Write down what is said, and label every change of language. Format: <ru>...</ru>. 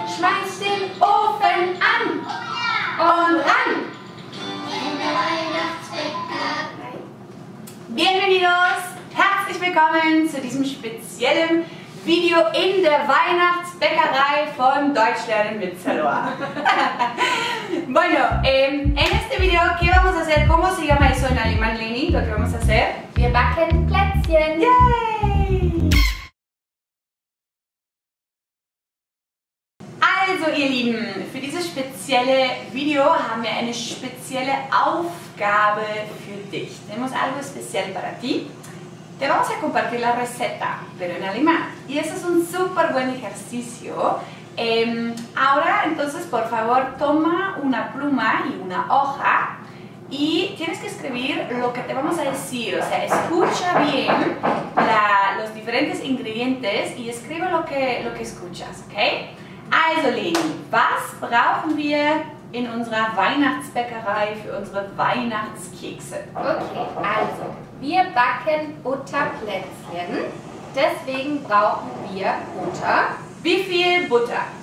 <de>Schmeiß den Ofen an und ran.</de> <es>Bienvenidos!</es> <de>Herzlich willkommen zu diesem speziellen Video in der Weihnachtsbäckerei von Deutschlernen mit Saloa.</de> <es>Bueno, en este video, ¿qué vamos a hacer? ¿Cómo se llama eso en alemán, Leni? Lo que vamos a hacer.</es> <de>Wir backen Plätzchen. ¡Yay! Also, ihr Lieben, für dieses spezielle Video haben wir eine spezielle Aufgabe für dich.</de> <es>Tenemos algo especial para ti. Te vamos a compartir la receta, pero en alemán. Y eso es un súper buen ejercicio. Ahora, entonces, por favor, toma una pluma y una hoja y tienes que escribir lo que te vamos a decir. O sea, escucha bien los diferentes ingredientes y escribe lo que escuchas, ¿ok?</es> <de>Also, Leni, was brauchen wir in unserer Weihnachtsbäckerei für unsere Weihnachtskekse? Okay, also, wir backen Butterplätzchen, deswegen brauchen wir Butter. Wie viel Butter?</de>